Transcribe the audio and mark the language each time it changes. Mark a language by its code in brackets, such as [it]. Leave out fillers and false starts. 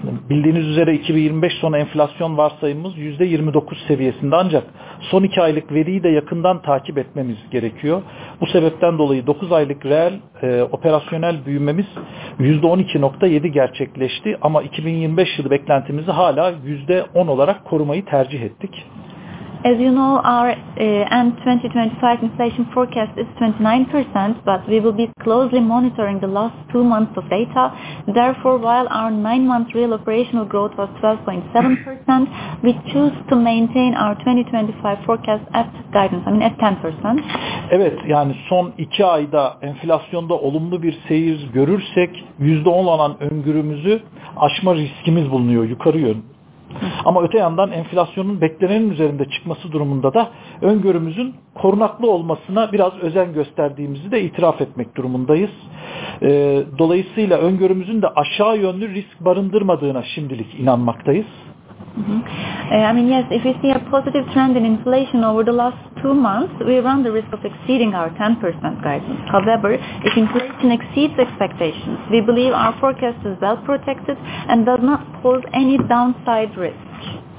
[tr] Bildiğiniz üzere 2025 sonu enflasyon varsayımımız %29 seviyesinde ancak son 2 aylık veriyi de yakından takip etmemiz gerekiyor. Bu sebepten dolayı 9 aylık reel operasyonel büyümemiz %12.7 gerçekleşti ama 2025 yılı beklentimizi hala %10 olarak korumayı tercih ettik. [en] As you know, our end 2025 inflation forecast is 29%, but we will be closely monitoring the last 2 months of data. Therefore, while our 9-month real operational growth was 12.7%, we choose to maintain our 2025 forecast at guidance, at 10%. [tr] Evet, yani son 2 ayda enflasyonda olumlu bir seyir görürsek, %10 olan öngörümüzü aşma riskimiz bulunuyor, yukarı yön. Ama öte yandan enflasyonun beklenenin üzerinde çıkması durumunda da öngörümüzün korunaklı olmasına biraz özen gösterdiğimizi de itiraf etmek durumundayız. Dolayısıyla öngörümüzün de aşağı yönlü risk barındırmadığına şimdilik inanmaktayız. [en] I mean, yes, if we see a positive trend in inflation over the last 2 months, we run the risk of exceeding our 10% guidance. However, if inflation exceeds expectations, we believe our forecast is well protected and does not pose any downside risk.